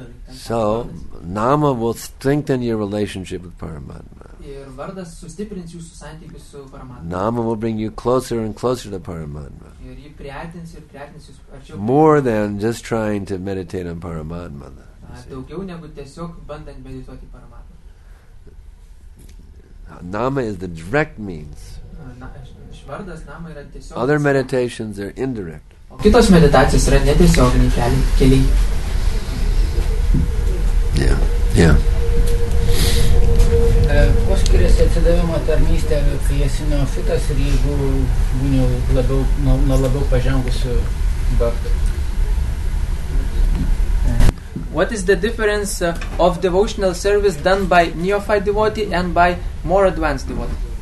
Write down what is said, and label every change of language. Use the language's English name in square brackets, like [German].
[English] So, Nama will strengthen your relationship with Paramatma. Nama will bring you closer and closer to Paramatma. More than just trying to meditate on Paramatma. [Lithuanian] Daugiau negu tiesiog bandant medituoti paramatmą. [English] Nama is the direct means. [Lithuanian] Švardas nama yra tiesiog. [English] Other meditations are indirect. [Lithuanian] O kitos meditacijos yra netiesioginiai keliai. [English] Yeah. [Lithuanian] Kuo skiriasi atsidavimo tarnystė, kai esi neofitas ir jeigu būni labiau pažengusiu bhakta? [English] What is the difference of devotional service done by neophyte devotee and by more advanced devotee?